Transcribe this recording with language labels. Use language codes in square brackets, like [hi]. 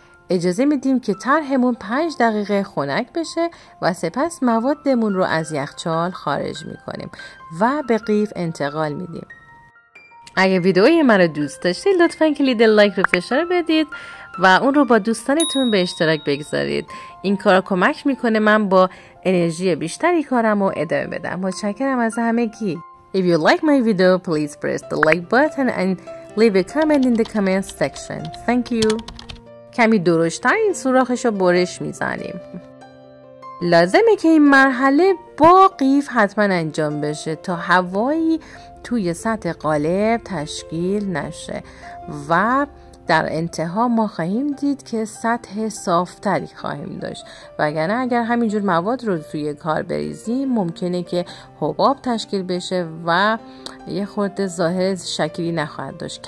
[fa] اجازه میدیم که طرحمون 5 دقیقه خنک بشه و سپس موادمون رو از یخچال خارج میکنیم و به قیف انتقال میدیم. اگه ویدئوی من رو دوست داشتید لطفا کلید لایک رو فشار بدید و اون رو با دوستانتون به اشتراک بگذارید. این کار کمک میکنه من با انرژی بیشتری کارم رو ادامه بدم. متشکرم از همگی. [en] If you like my video, please press the like button and leave a comment in the comment section. Thank you. [fa] کمی درشت‌تر این سوراخش رو برش میزنیم. لازمه که این مرحله با قیف حتما انجام بشه تا هوایی توی سطح قالب تشکیل نشه و در انتها ما خواهیم دید که سطح صافتری خواهیم داشت، وگرنه اگر همینجور مواد رو توی کار بریزیم ممکنه که حباب تشکیل بشه و یه خورده ظاهر شکلی نخواهد داشت.